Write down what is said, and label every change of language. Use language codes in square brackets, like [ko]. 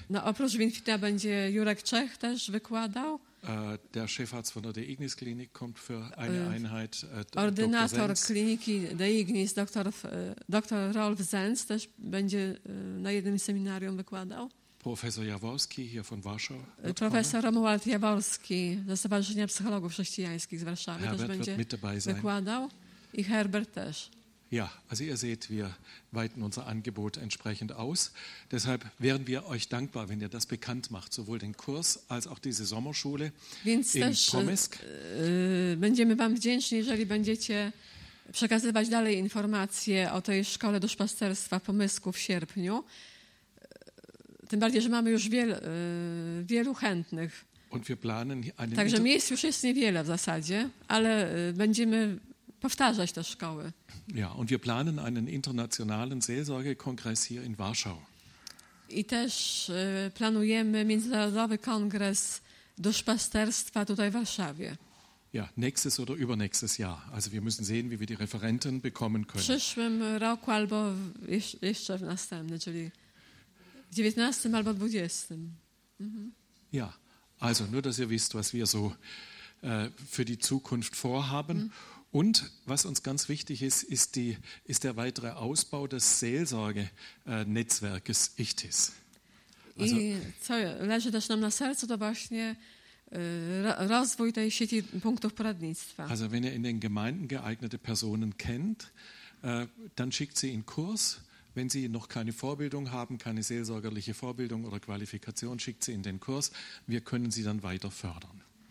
[pl] No, oprócz Winfita będzie Jurek Czech też wykładał. [de] Der Chefarzt von der De Ignis Klinik kommt für eine Einheit. [pl] Ordynator kliniki De Ignis, dr Rolf Zenz, też będzie na jednym seminarium wykładał. [de] Professor Jaworski hier von Warschau. [pl] Professor Romuald Jaworski ze Stowarzyszenia Psychologów Chrześcijańskich z Warszawy Herbert też będzie [de] mit dabei sein. [pl] Wykładał. I Herbert też. [de] Ja, also ihr seht, wir weiten unser Angebot entsprechend aus. Deshalb wären wir euch dankbar, wenn ihr das bekannt macht, sowohl den Kurs als auch diese Sommerschule [pl] Więc [de] in Promisk. [pl] Będziemy wam wdzięczni, jeżeli będziecie przekazywać dalej informacje o tej szkole duszpasterstwa w Pomysku w sierpniu. Tym bardziej, że mamy już wielu chętnych. [de] Und wir planen einen [pl] Także miejsc już jest niewiele w zasadzie, ale będziemy powtarzać te szkoły. [de] Ja, und wir planen einen internationalen Seelsorgekongress hier in Warschau. [pl] I też planujemy międzynarodowy kongres duszpasterstwa tutaj w Warszawie. [de] Ja, nächstes oder übernächstes Jahr. Also wir müssen sehen, wie wir die Referenten bekommen können. [pl] W przyszłym roku albo jeszcze w następnym, czyli w 19 albo 20. [de] Ja, also nur, dass ihr wisst, was wir so für die Zukunft vorhaben. Und was uns ganz wichtig ist, ist der weitere Ausbau des Seelsorgenetzwerkes ICHTIS. Also, [pl] i co leży też nam na sercu, to właśnie rozwój tej sieci punktów poradnictwa. [de] Also wenn ihr in den Gemeinden geeignete Personen kennt, dann schickt sie in Kurs. Wenn sie noch keine Vorbildung haben, keine seelsorgerliche Vorbildung oder Qualifikation, schickt sie in den Kurs. Wir können sie dann weiter fördern.